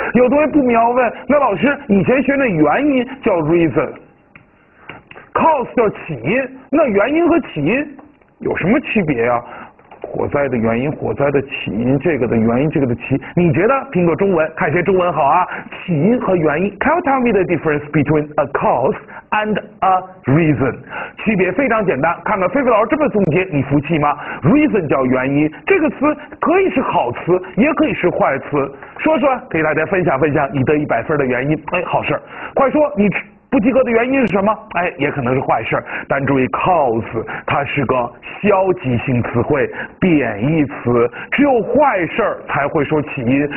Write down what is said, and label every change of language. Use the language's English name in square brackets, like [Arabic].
[Chinese] 有同学不明白，问那老师，以前学那原因叫 reason， cause 叫起因，那原因和起因有什么区别呀？火灾的原因，火灾的起因，这个的原因，这个的起，你觉得听个中文，看些中文好啊？起因和原因 [English] ，Can you tell me the difference between a cause and a reason？ [Chinese] 区别非常简单，看看菲菲老师这么总结，你服气吗 ？Reason 叫原因，这个词可以是好词，也可以是坏词。说说，给大家分享分享你得100分的原因。哎，好事，快说你。不及格的原因是什么？哎，也可能是坏事。但注意 cause， 它是个消极性词汇，贬义词，只有坏事才会说起因。